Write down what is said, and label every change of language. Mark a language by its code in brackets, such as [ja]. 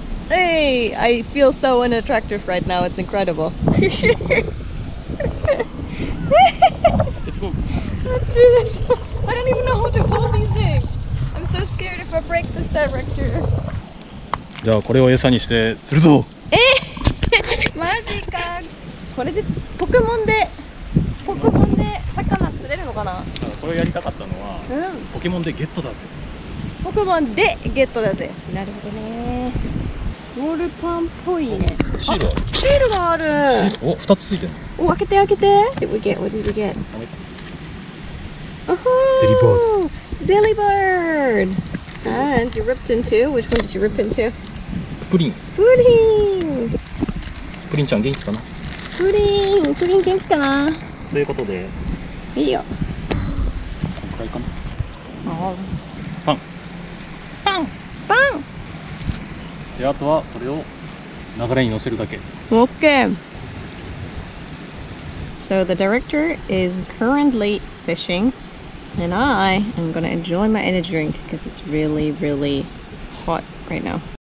[en] I feel so unattractive right now, it's incredible. Let's go. Let's do this. I don't even know how to hold these things. I'm so scared if I break this director. [ja] じゃあこれを餌にして釣るぞ。え、マジか。これでポケモンで、ポケモンで魚釣れるのかな。これをやりたかったのは、ポケモンでゲットだぜ。ポケモンでゲットだぜ。なるほどね。ボールパンっぽいね。シールあ、シールがある。お、2つついてる。お、開けて開けて。 [en] Did we get? What did we get? Oh-ho! Belly bird! And you ripped in two? Which one did you rip in two? [ja] プリン。プリン。プリンちゃん元気かな？プリン、プリン元気かな？ということで。いいよ。こんくらいかな？あ、パン。パン！パン！で、あとはこれを流れに乗せるだけ。 [en] OK! So the director is currently fishing and I am gonna enjoy my energy drink because it's really really hot right now.